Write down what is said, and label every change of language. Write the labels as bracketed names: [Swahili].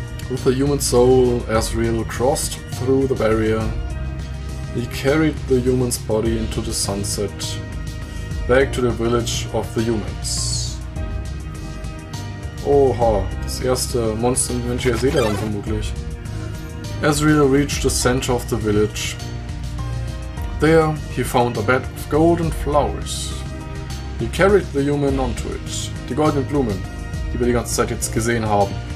[English] With a human soul, Azrael crossed through the barrier. He carried the human's body into the sunset, back to the village of the humans. [German] Oha, das erste Monster, den ich hier sehe, dann vermutlich. [English] Azrael reached the center of the village. There, he found a bed of golden flowers. He carried the human onto it. [German] Die goldenen Blumen, die wir die ganze Zeit jetzt gesehen haben.